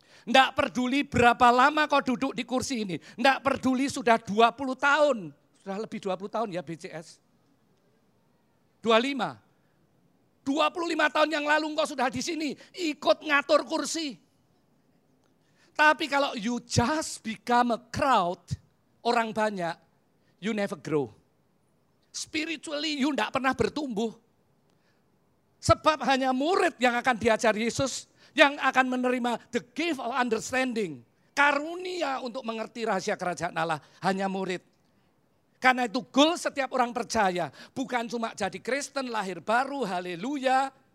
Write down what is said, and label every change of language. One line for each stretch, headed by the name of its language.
Indonesian: Tidak peduli berapa lama kau duduk di kursi ini. Tidak peduli sudah 20 tahun. Sudah lebih 20 tahun ya BCS. 25. 25 tahun yang lalu engkau sudah di sini. Ikut ngatur kursi. Tapi kalau
English: you just become a crowd,
Indonesian: orang banyak,
English: you never grow. Spiritually you
Indonesian: tidak pernah bertumbuh. Sebab hanya murid yang akan diajar Yesus, yang akan menerima
English: the gift of understanding.
Indonesian: Karunia untuk mengerti rahasia kerajaan Allah, hanya murid. Karena itu goal setiap orang percaya, bukan cuma jadi Kristen, lahir baru, haleluya.